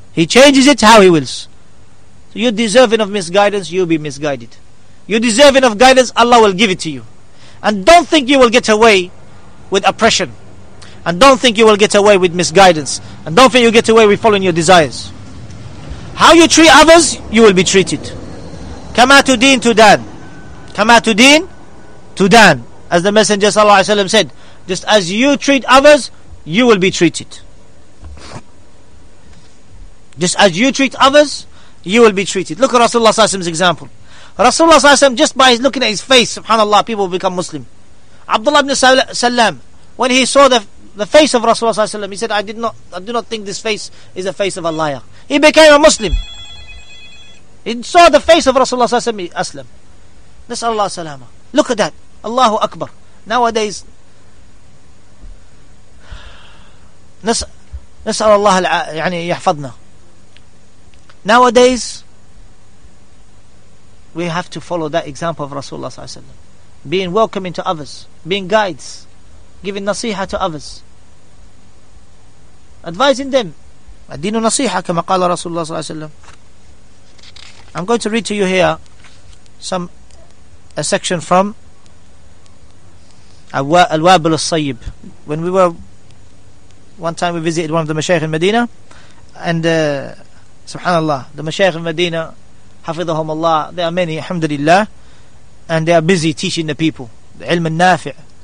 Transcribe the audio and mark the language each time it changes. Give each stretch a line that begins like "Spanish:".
English: He changes it how he wills. So you're deserving of misguidance, you'll be misguided. You're deserving of guidance, Allah will give it to you. And don't think you will get away with oppression. And don't think you will get away with misguidance. And don't think you get away with following your desires. How you treat others, you will be treated.
Arabic: كما تدين تدان كما تدين تدان.
English: As the Messenger صلى الله عليه وسلم said, just as you treat others, you will be treated. Just as you treat others, you will be treated. Look at Rasulullah صلى الله عليه وسلم's example. Rasulullah صلى الله عليه وسلم, just by looking at his face, subhanAllah, people will become Muslim. Abdullah ibn Salam, when he saw the face of Rasulullah صلى الله عليه وسلم, he said, I do not think this face is the face of a liar. He became a Muslim. He saw the face of Rasulullah صلى الله عليه وسلم, Aslam.
Arabic: Nas'Allah salama.
English: Look at that. Allahu Akbar. Nowadays,
Arabic: نسأل الله يعني يحفظنا.
English: Nowadays, we have to follow that example of Rasulullah صلى الله عليه وسلم, being welcoming to others, being guides, giving nasiha to others, advising them.
Arabic: الدين نصيحة كما قال رسول الله صلى الله عليه وسلم.
English: I'm going to read to you here a section from Al-Wabil al-Sayyib. When we were one time, we visited one of the mashayikh in Medina, and subhanallah, the mashayikh in Medina, hafidhahum Allah, there are many, alhamdulillah, and they are busy teaching the people the ilm al-nafi'.